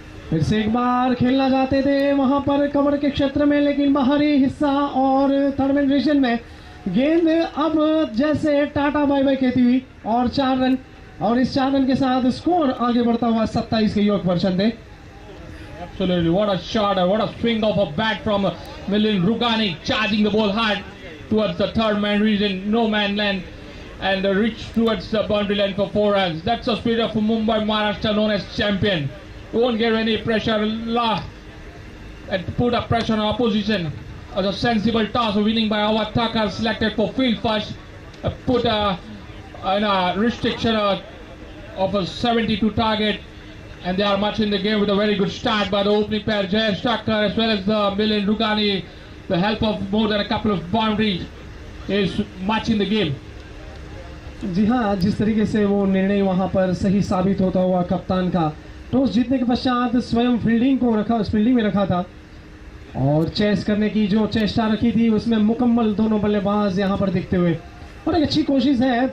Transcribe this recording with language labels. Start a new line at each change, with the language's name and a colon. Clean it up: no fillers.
Hindi: फिर से एक बार खेलना चाहते थे वहां पर कमर के क्षेत्र में, लेकिन बाहरी हिस्सा और थर्मल रीजन में गेंद अब जैसे टाटा बाय बाय कहती हुई और चार रन, और इस चार रन के साथ स्कोर आगे बढ़ता हुआ 27 के योग पर। चंदे
English: Absolutely, what a shot, what a swing of a bat from Milind Rugani, charging the ball hard towards the third man region, no man land, and reach towards the boundary line for four runs. That's the spirit of Mumbai Maharashtra, known as champion. You won't get any pressure, and put a pressure on opposition. As a sensible toss, winning by our attacker, selected for field first, put a restriction of a 72 target. And they are much in the game with a very good start by the opening pair, Jayesh Thakkar, as well as the Milind Rugani. The help of more than a couple of boundaries is much in the game.
Hindi: जी हाँ, जिस तरीके से वो निर्णय वहाँ पर सही साबित होता हुआ कप्तान का, टॉस जीतने के पश्चात स्वयं फील्डिंग को रखा, उस फील्डिंग में रखा था और चेस करने की जो चेष्टा रखी थी उसमें मुकम्मल दोनों बल्लेबाज यहाँ पर दिखते हुए, और एक अच्छी कोशिश है।